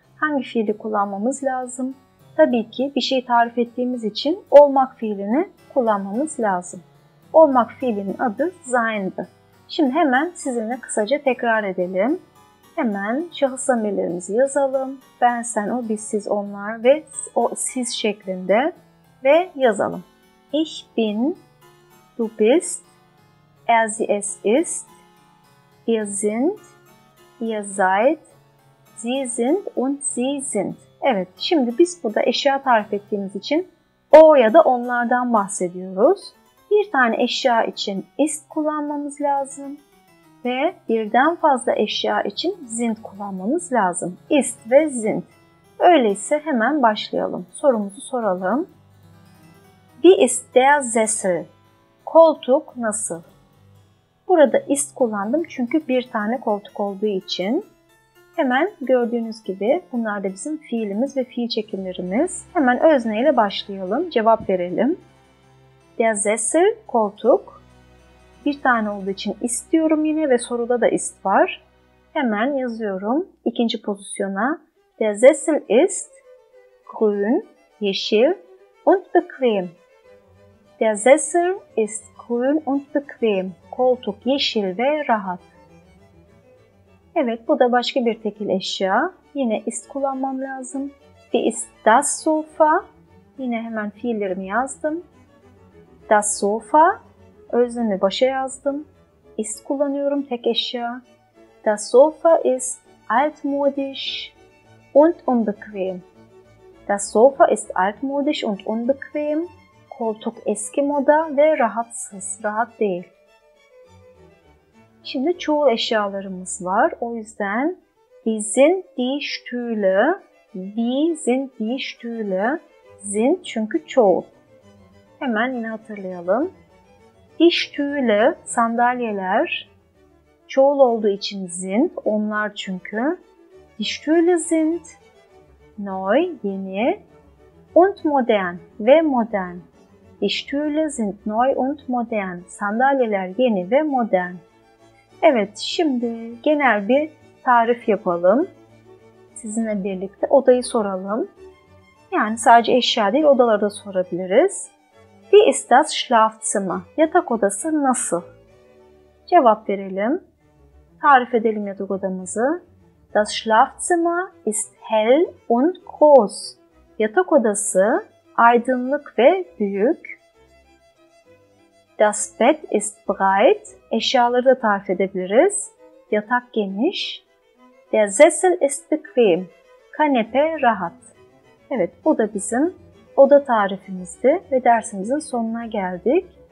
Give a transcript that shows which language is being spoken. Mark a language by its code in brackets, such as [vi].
[tr] Hangi fiili kullanmamız lazım? Tabii ki bir şey tarif ettiğimiz için olmak fiilini kullanmamız lazım. Olmak fiilinin adı sein'dı. Şimdi hemen sizinle kısaca tekrar edelim. Hemen şahıs zamirlerimizi yazalım. Ben, sen, o, biz, siz, onlar ve o, siz şeklinde ve yazalım. [de] Ich bin, du bist, sie, es ist. Wir sind, ihr seid, sie sind und sie sind. [tr] Evet, şimdi biz burada eşya tarif ettiğimiz için o ya da onlardan bahsediyoruz. Bir tane eşya için ist kullanmamız lazım ve birden fazla eşya için sind kullanmamız lazım. Ist ve sind. Öyleyse hemen başlayalım. Sorumuzu soralım. [de] Wie ist der Sessel? [tr] Koltuk nasıl? Burada ist kullandım çünkü bir tane koltuk olduğu için. Hemen gördüğünüz gibi bunlar da bizim fiilimiz ve fiil çekimlerimiz. Hemen özneyle başlayalım, cevap verelim. Der Sessel, koltuk. Bir tane olduğu için istiyorum yine ve soruda da ist var. Hemen yazıyorum ikinci pozisyona. [de] Der Sessel ist grün, yeşil und bequem. Der Sessel ist grün und bequem. [tr] Koltuk yeşil ve rahat. Evet, bu da başka bir tekil eşya. Yine ist kullanmam lazım. [de] Wie ist das Sofa? [tr] Yine hemen fiillerimi yazdım. [de] Das Sofa. [tr] Öznemi başa yazdım. Ist kullanıyorum, tek eşya. [de] Das Sofa ist altmodisch und unbequem. Das Sofa ist altmodisch und unbequem. [tr] Koltuk eski moda ve rahatsız, rahat değil. Şimdi çoğul eşyalarımız var. O yüzden [de] wie sind die Stühle? Wie sind die Stühle? Sind [tr] çünkü çoğul. Hemen yine hatırlayalım. Die Stühle, sandalyeler. Çoğul olduğu için sind, onlar çünkü. [de] Die Stühle sind neu, yeni. Und modern, [tr] ve modern. [de] Die Stühle sind neu und modern. [tr] Sandalyeler yeni ve modern. Evet, şimdi genel bir tarif yapalım. sizinle birlikte odayı soralım. Yani sadece eşya değil, odaları da sorabiliriz. [de] Wie ist das Schlafzimmer? [tr] Yatak odası nasıl? Cevap verelim. Tarif edelim yatak odamızı. [de] Das Schlafzimmer ist hell und groß. [tr] Yatak odası aydınlık ve büyük. [de] Das Bett ist breit. [tr] Eşyaları da tarif edebiliriz. Yatak geniş. [de] Der Sessel ist bequem. [tr] Kanepe rahat. Evet, bu da bizim oda tarifimizdi ve dersimizin sonuna geldik.